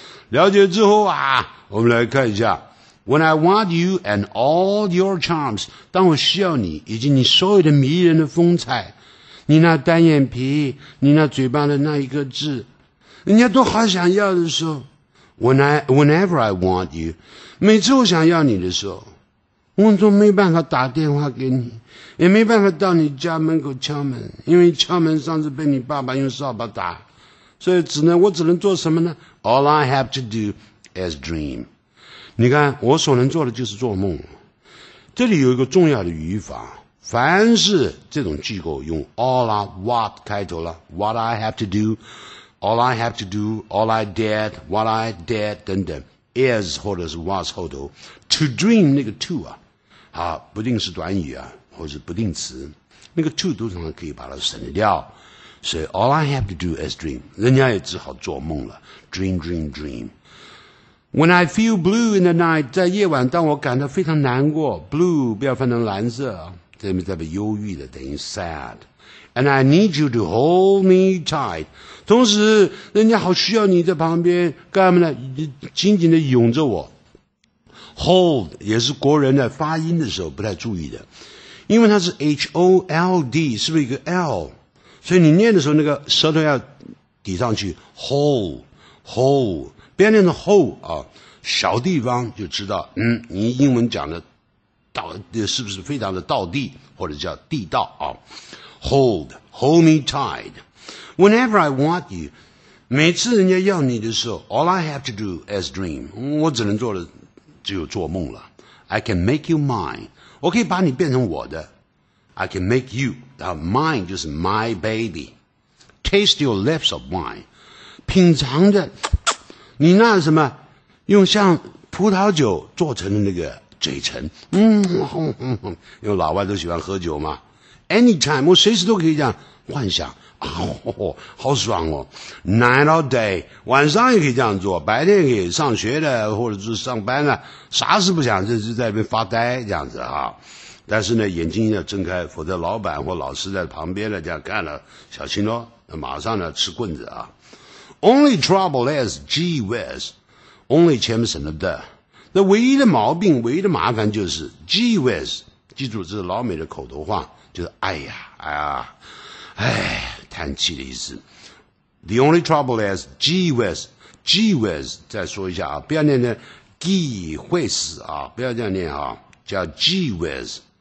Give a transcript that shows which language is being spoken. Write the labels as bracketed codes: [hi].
[zh] 了解之后啊，我们来看一下 [en] When I want you and all your charms， [zh] 当我需要你以及你所有的迷人的风采，你那单眼皮，你那嘴巴的那一个痣，人家都好想要的时候 [en] whenever I want you， [zh] 每次我想要你的时候，我都没办法打电话给你，也没办法到你家门口敲门，因为敲门上次被你爸爸用扫把打，所以我只能做什么呢？ [en] All I have to do is dream， [zh] 你看我所能做的就是做梦。这里有一个重要的语法，凡是这种句构用 all or what 开头了， [en] what I have to doAll I have to do, all I did, [zh] what I did, 等等 is 或者是 was 后头 to dream 那个 to 啊，好，不定式短语啊，或者是不定词，那个 to 通常可以把它省掉，所以 [en] all I have to do is dream， [zh] 人家也只好做梦了 [en] dream dream dream。 When I feel blue in the night, [zh] 在夜晚当我感到非常难过 ,blue, 不要翻成蓝色这边代表忧郁的等于 sad。 [en] And I need you to hold me tight. [zh] 同时人家好需要你在旁边干嘛呢紧紧地拥着我。 Hold 也是国人的发音的时候不太注意的。因为它是 H-O-L-D, 是不是一个 L? 所以你念的时候那个舌头要抵上去 , [en] hold, hold, [zh] 不要念成 hold, 啊小地方就知道你英文讲的到是不是非常的道地或者叫地道啊。 [en] Hold, hold me tight. Whenever I want you, [zh] 每次人家要你的时候 [en] all I have to do is dream. [zh] 我只能做的只有做梦了。 [en] I can make you mine. [zh] 我可以把你变成我的。 [en] I can make you. Mine [zh] 就是 [en] my baby. Taste your lips of wine. [zh] 品尝着你那什么用像葡萄酒做成的那个嘴唇。因为老外都喜欢喝酒嘛。 [en] Anytime, [zh] 我随时都可以这样幻想、啊哦、好爽哦 [en] Night or day, [zh] 晚上也可以这样做白天也可以上学的或者是上班的啥事不想就是在那边发呆这样子啊。但是呢眼睛要睁开否则老板或老师在旁边的这样看了小心咯马上呢吃棍子啊。 [en] Only trouble is, gee whiz, only [zh] 前面省了的。那唯一的毛病唯一的麻烦就是 gee whiz, 记住这是老美的口头话。就是哎呀哎呀哎叹气的意思 [en] The only trouble is gee whiz [zh] gee whiz 再说一下啊不要念念 gee whiz 啊不要这样念啊叫 gee whiz